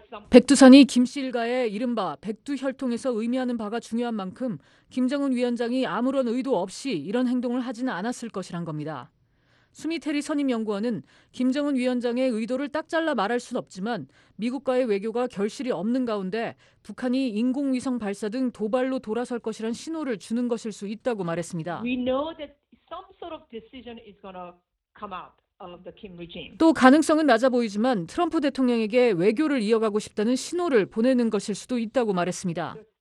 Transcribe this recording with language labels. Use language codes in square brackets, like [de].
[ko] 백두산이 김 씨 일가의 이른바 백두혈통에서 의미하는 바가 중요한 만큼 김정은 위원장이 아무런 의도 없이 이런 행동을 하지는 않았을 것이란 겁니다. 수미테리 선임연구원은 김정은 위원장의 의도를 딱 잘라 말할 순 없지만 미국과의 외교가 결실이 없는 가운데 북한이 인공위성 발사 등 도발로 돌아설 것이란 신호를 주는 것일 수 있다고 말했습니다. [en] We know that some sort of decision is going to come out. [ko] 또 가능성은 낮아 보이지만 트럼프 대통령에게 외교를 이어가고 싶다는 신호를 보내는 것일 수도 있다고 말했습니다.